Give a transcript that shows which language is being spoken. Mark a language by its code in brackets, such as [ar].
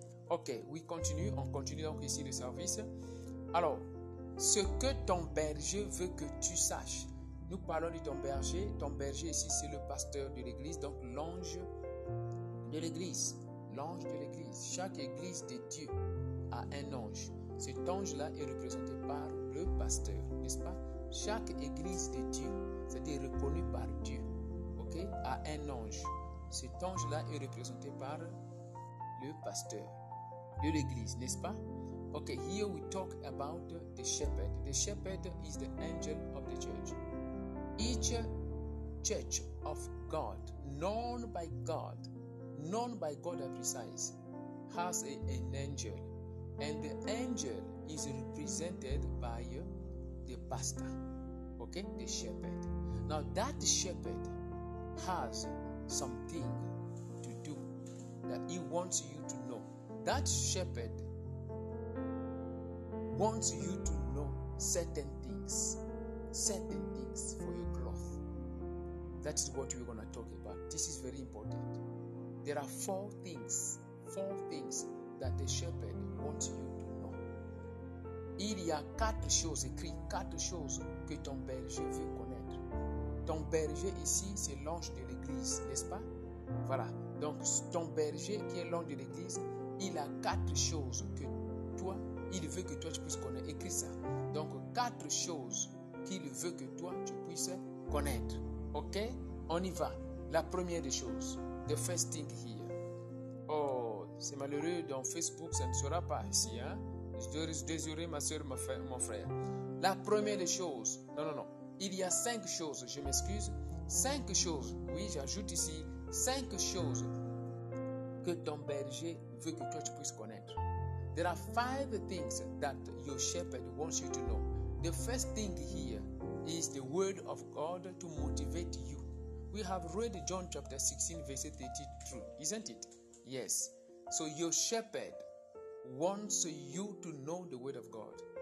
[fr] Ok, on continue donc ici le service. Alors, ce que ton berger veut que tu saches, nous parlons de ton berger ici c'est le pasteur de l'église, donc l'ange de l'église, chaque église de Dieu a un ange, cet ange là est représenté par le pasteur, n'est-ce pas? Chaque église de Dieu, c'est-à-dire reconnue par Dieu, ok, a un ange, cet ange là est représenté par le pasteur de l'église, n'est-ce pas? [en] Okay, here we talk about the shepherd. The shepherd is the angel of the church. Each church of God, known by God, I precise, has an angel. And the angel is represented by the pastor. Okay, the shepherd. Now, that shepherd has something to do that he wants you to know. That shepherd wants you to know certain things for your growth. That is what we're going to talk about. This is very important. There are four things that the shepherd wants you to know. [fr] Il y a quatre choses, écrit quatre choses que ton berger veut connaître. Ton berger ici, c'est l'ange de l'église, n'est-ce pas? Voilà. Donc, ton berger qui est l'ange de l'église, il a quatre choses que toi, il veut que toi tu puisses connaître. Écris ça. Donc, quatre choses qu'il veut que toi tu puisses connaître. Ok? On y va. La première des choses. [en] The first thing here. [fr] Oh, c'est malheureux. Dans Facebook, ça ne sera pas ici. Hein? Je suis désolé, ma soeur, mon frère. La première des choses. Non. Il y a cinq choses. Je m'excuse. Cinq choses. Oui, j'ajoute ici. Cinq choses que ton berger veut que toi tu puisses connaître. [en] There are five things that your shepherd wants you to know. The first thing here is the word of God to motivate you. We have read John chapter 16, verse 32, isn't it? Yes. So your shepherd wants you to know the word of God.